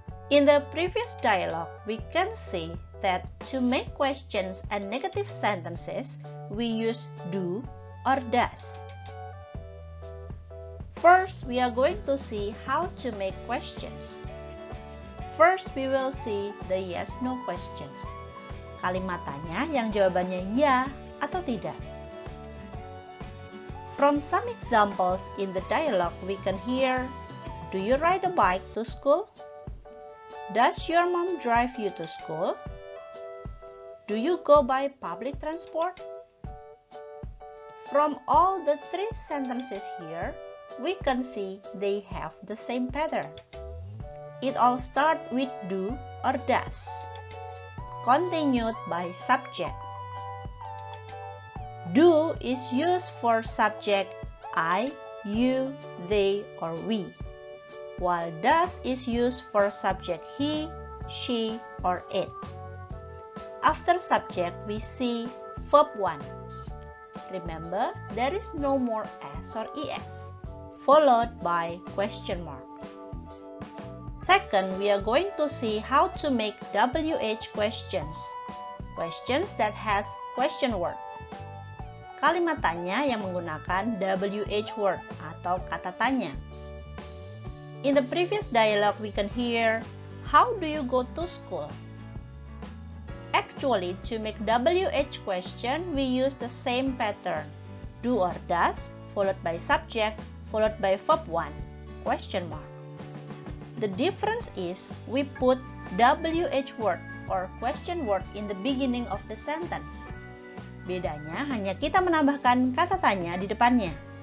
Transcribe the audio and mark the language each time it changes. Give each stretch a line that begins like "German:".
English: In the previous dialogue, we can see that to make questions and negative sentences, we use do or does. First, we are going to see how to make questions. First, we will see the yes-no questions.
Indonesian: Kalimat tanya yang jawabannya ya atau tidak.
English: From some examples in the dialogue, we can hear, do you ride a bike to school? Does your mom drive you to school? Do you go by public transport? From all the three sentences here, we can see they have the same pattern. It all starts with do or does, continued by subject. Do is used for subject I, you, they, or we, while does is used for subject he, she, or it. After subject, we see verb 1. Remember, there is no more S or ES, followed by question mark. Second, we are going to see how to make WH questions, questions that has question word.
Indonesian: Kalimat tanya yang menggunakan WH word atau kata tanya.
English: In the previous dialogue, we can hear, how do you go to school? Actually, to make WH question, we use the same pattern, do or does, followed by subject, followed by verb 1, question mark. The difference is, we put WH word or question word in the beginning of the sentence.
Indonesian: Bedanya, hanya kita menambahkan kata tanya di depannya.